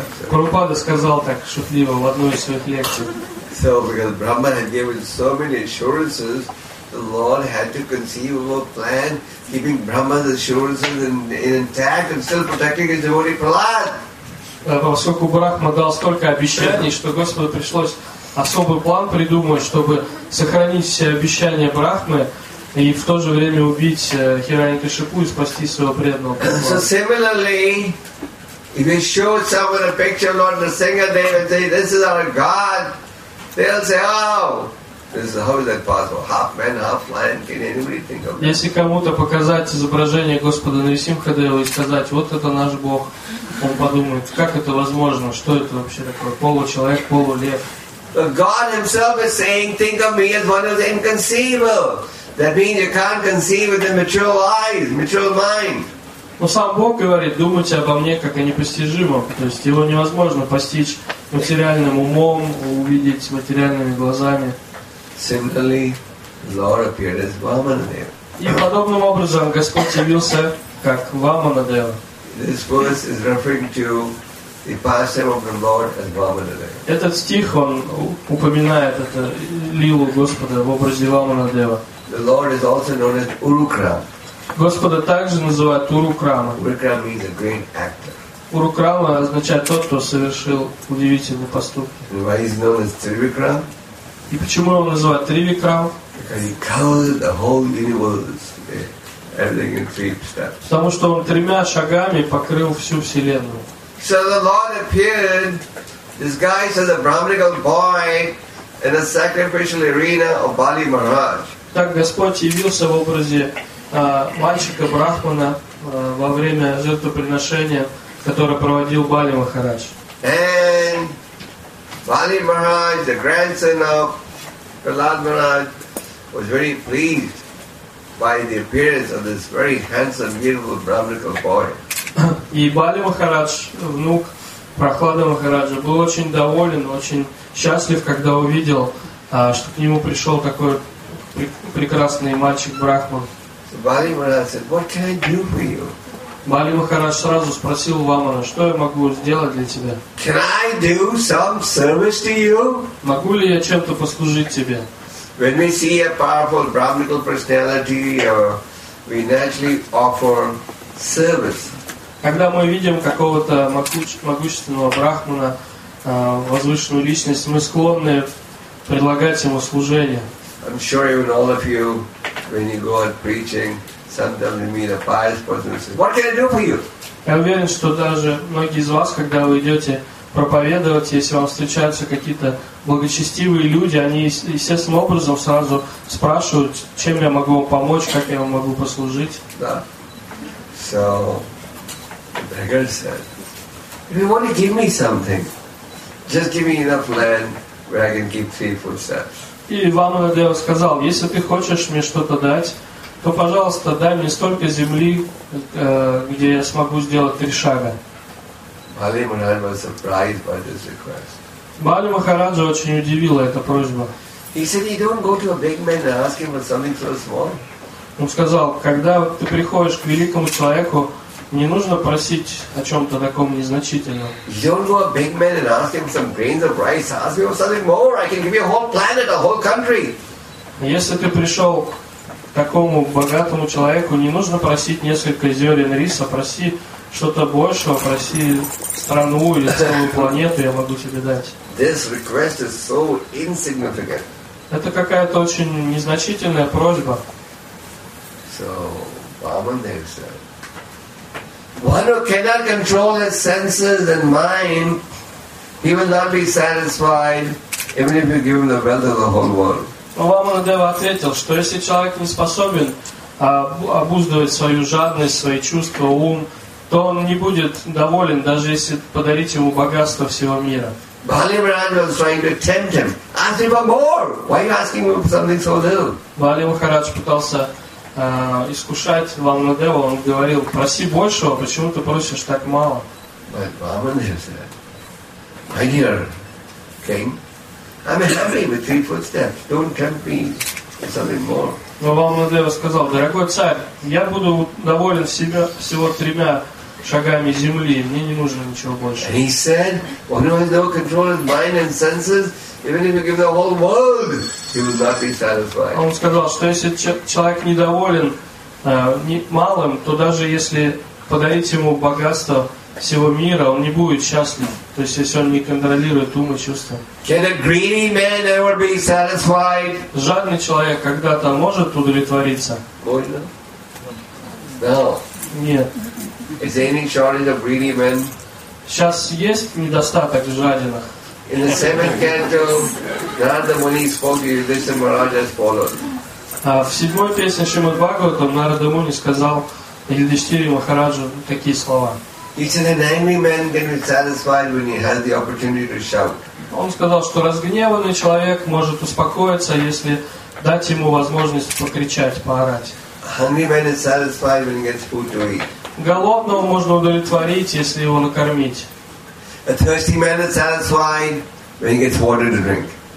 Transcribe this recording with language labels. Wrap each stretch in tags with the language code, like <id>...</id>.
<ru>Прабхупада сказал так шутливо в одной из своих лекций.</ru> <en>So, because Brahma had given so many assurances, the Lord had to conceive of a plan keeping Brahma's assurances intact and still protecting his devotee Prahlad.</en> <ru>Поскольку Брахма дал столько обещаний, что Господу пришлось особый план придумать, чтобы сохранить все обещания Брахмы и в то же время убить Хиранякашипу и спасти своего преданного.</ru> <en>So similarly, if you show someone a picture of Lord Nrsingadev and say, this is our God, they'll say, oh, this is, how is that possible? Half man, half lion, can anybody think of that?</en> <ru>Если кому-то показать изображение Господа Нрсимхадева и сказать, вот это наш Бог, он подумает, как это возможно, что это вообще такое, получеловек, полулев.</ru> <en>But God Himself is saying, think of me as one of the inconceivable. That means you can't conceive with the material eyes, material mind.</en> <ru>Но сам Бог говорит, думайте обо мне как о непостижимом. То есть его невозможно постичь материальным умом, увидеть материальными глазами.</ru> <en>Similarly, Lord appeared as Vamanadeva.</en> <ru>И подобным образом Господь явился как Vamanadeva.</ru> <en>This verse is referring to the pastime of the Lord as Vamanadeva.</en> <ru>Этот стих он упоминает это лилу Господа в образе Vamanadeva.</ru> <en>The Lord is also known as Urukram.</en> <ru>Господа также называют Урукрама.</ru> <en>Урукрама means a great actor.</en> <ru>Урукрама означает тот, кто совершил удивительный поступок.</ru> <en>And why is known as Trivikram?</en> <ru>И почему его называют Тривикрам?</ru> <en>Because he covers the whole universe, everything in three steps.</en> <ru>Потому что он тремя шагами покрыл всю вселенную.</ru> <en>So the Lord appeared, disguised as a Brahminical boy, in a sacrificial arena of Bali Maharaj.</en> <ru>Так Господь явился в образе мальчика брахмана во время жертвоприношения, которое проводил Бали Махарадж.</ru> <en>And Bali Maharaj, the grandson of Prahlad Maharaj, was very pleased by the appearance of this very handsome, beautiful Brahminical boy.</en> <ru>И Бали Махарадж, внук Прахлада Махараджа, был очень доволен, очень счастлив, когда увидел, что к нему пришел такой прекрасный мальчик брахман.</ru> <en>So Bali Maharaj said, "What can I do for you?"</en> <ru>Бали Махарадж сразу спросил Вамана, что я могу сделать для тебя?</ru> <en>Can I do some service to you?</en> <ru>Могу ли я чем-то послужить тебе?</ru> <en>When we see a powerful Brahminical personality, we naturally offer service.</en> <ru>Когда мы видим какого-то могущественного брахмана, возвышенную личность, мы склонны предлагать ему служение.</ru> <en>I'm sure even all of you, when you go out preaching, sometimes you meet a pious person and say, "What can I do for you?"</en> <ru>Я уверен, что даже многие из вас, когда вы идете проповедовать, если вам встречаются какие-то благочестивые люди, они естественным образом сразу спрашивают, чем я могу вам помочь, как я вам могу послужить. Да.</ru> <en>So, the beggar said, "If you want to give me something, just give me enough land where I can keep three footsteps."</en> <ru>И Ваманадева сказал, если ты хочешь мне что-то дать, то, пожалуйста, дай мне столько земли, где я смогу сделать три шага.</ru> <en>Bali Maharaj was surprised by this request.</en> <ru>Бали Махараджа очень удивила эта просьба.</ru> <en>He said, "You don't go to a big man and ask him for something so small."</en> <ru>Он сказал, когда ты приходишь к великому человеку, Не нужно просить о чем-то таком незначительном.</ru> <en>You don't go a big man and ask him some grains of rice. Ask him something more. I can give you a whole planet, a whole country.</en> <ru>Если ты пришел к такому богатому человеку, не нужно просить несколько зерен риса. Проси что-то большего. Проси страну или целую планету. Я могу тебе дать.</ru> <en>This request is so insignificant.</en> <ru>Это какая-то очень незначительная просьба.</ru> <en>So, Vamadeva said, one who cannot control his senses and mind, he will not be satisfied even if you give him the wealth of the whole world.</en> <ru>Vamadeva ответил, что если человек не способен обуздывать свою жадность, свои чувства, ум, то он не будет доволен, даже если подарить ему богатство всего мира.</ru> <en>Bali Maharaj was trying to tempt him. Ask him for more. Why are you asking him for something so little?</en> <ru>Bali Maharaj пытался искушать Вамадеву. Он говорил: проси большего, почему ты просишь так мало?</ru> <en>But Vamadeva said, my dear king, I'm happy with three footsteps. Don't tempt me for something more.</en> <ru>Но Вамадева сказал: дорогой царь, я буду доволен всего тремя шагами земли, мне не нужно ничего больше.</ru> <en>And he said, one who has no control of mind and senses, even if you give the whole world, he will not be satisfied.</en> <ru>Он сказал, что если человек недоволен малым, то даже если подарить ему богатство всего мира, он не будет счастлив. То есть если он не контролирует ум и чувства.</ru> <en>Can a greedy man ever be satisfied?</en> <ru>Жадный человек когда-то может удовлетвориться? Можно?</ru> <en>No.</en> <ru>Нет.</ru> <en>Is there any shortage of greedy men?</en> <ru>Сейчас есть недостаток жадинах.</ru> <en>In the seventh canto, Narada Muni spoke to Yudhishthira Maharaj as follows.</en> <ru>В седьмой песне Шримад Бхагаватам Нарада Муни сказал Юдхиштхире Махараджу такие слова.</ru> <en>He said an angry man can be satisfied when he has the opportunity to shout.</en> <ru>Он сказал, что разгневанный человек может успокоиться, если дать ему возможность покричать, поорать.</ru> <en>A hungry man is satisfied when he gets food to eat.</en> <ru>Голодного можно удовлетворить, если его накормить.</ru> <en>A thirsty man is satisfied when he gets water to drink.</en>